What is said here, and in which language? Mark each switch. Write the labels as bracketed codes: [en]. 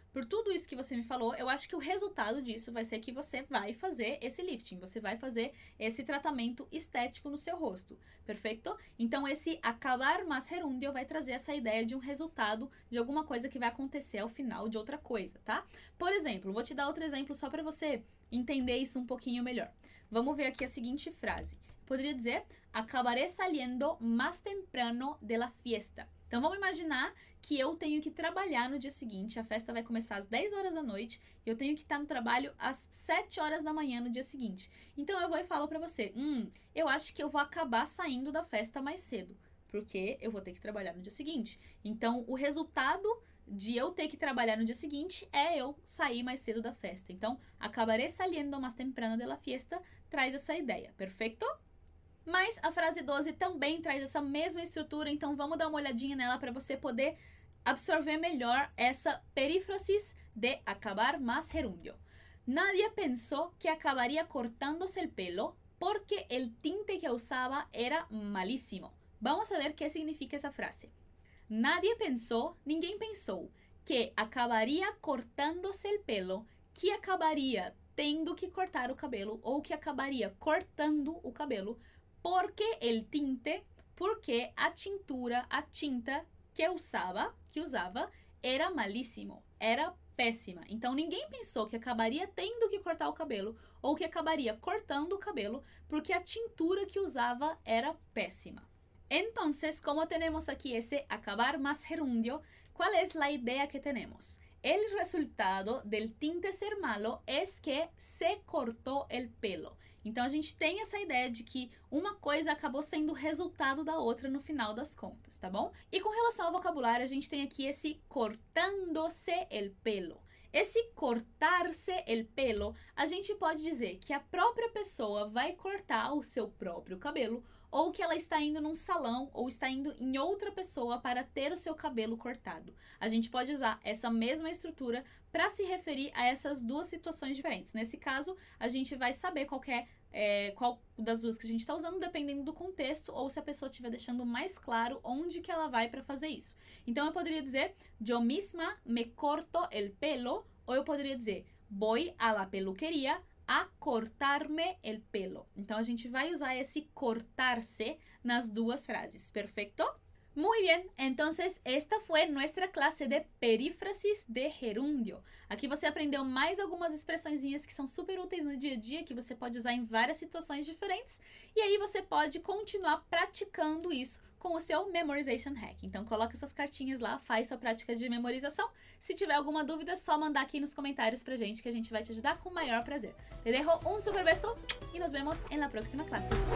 [pt] Por tudo isso que você me falou, eu acho que o resultado disso vai ser que você vai fazer esse lifting, você vai fazer esse tratamento estético no seu rosto, perfeito? Então, esse acabar mas gerúndio vai trazer essa ideia de um resultado de alguma coisa que vai acontecer ao final de outra coisa, tá? Por exemplo, vou te dar outro exemplo só para você entender isso um pouquinho melhor. Vamos ver aqui a seguinte frase. Poderia dizer: [es] Acabaré saliendo más temprano de la fiesta. [pt] Então, vamos imaginar que eu tenho que trabalhar no dia seguinte, a festa vai começar às 10 horas da noite, e eu tenho que estar no trabalho às 7 horas da manhã no dia seguinte. Então, eu vou e falo para você: eu acho que eu vou acabar saindo da festa mais cedo, porque eu vou ter que trabalhar no dia seguinte. Então, o resultado de eu ter que trabalhar no dia seguinte é eu sair mais cedo da festa. Então, [es] acabaré saliendo más temprano de la fiesta [pt] traz essa ideia, perfeito? Mas a frase 12 também traz essa mesma estrutura, então vamos dar uma olhadinha nela para você poder absorver melhor essa perífrase de acabar más gerundio. [es] Nadie pensó que acabaría cortándose el pelo porque el tinte que usaba era malísimo. Vamos a ver qué significa esa frase. Nadie pensó, [pt] ninguém pensou, [es] que acabaría cortándose el pelo, que acabaría [pt] tendo que cortar o cabelo [es] ou que acabaría [pt] cortando o cabelo [es] porque el tinte, [pt] porque a tintura, a tinta [es] que usava, era malíssimo, [pt] era péssima. Então ninguém pensou que acabaria tendo que cortar o cabelo ou que acabaria cortando o cabelo porque a tintura que usava era péssima. Então, como temos aqui esse acabar más gerundio, qual é a ideia que temos? [es] El resultado del tinte ser malo es que se cortó el pelo. [pt] Então a gente tem essa ideia de que uma coisa acabou sendo resultado da outra no final das contas, tá bom? E com relação ao vocabulário, a gente tem aqui esse cortando-se el pelo. Esse cortar-se el pelo, a gente pode dizer que a própria pessoa vai cortar o seu próprio cabelo ou que ela está indo num salão ou está indo em outra pessoa para ter o seu cabelo cortado. A gente pode usar essa mesma estrutura para se referir a essas duas situações diferentes. Nesse caso, a gente vai saber qual das duas que a gente está usando, dependendo do contexto ou se a pessoa estiver deixando mais claro onde que ela vai para fazer isso. Então, eu poderia dizer, [es] yo misma me corto el pelo, [pt] ou eu poderia dizer, [es] voy a la peluquería a cortarme el pelo. [pt] Então, a gente vai usar esse cortarse nas duas frases, perfeito? [es] Muy bien, entonces esta fue nuestra clase de perífrasis de gerundio. [pt] Aqui você aprendeu mais algumas expressõezinhas que são super úteis no dia a dia, que você pode usar em várias situações diferentes, e aí você pode continuar praticando isso com o seu memorization hack. Então coloca suas cartinhas lá, faz sua prática de memorização. Se tiver alguma dúvida, é só mandar aqui nos comentários pra gente, que a gente vai te ajudar com o maior prazer. [es] Te dejo un super beso e nos vemos en la próxima clase.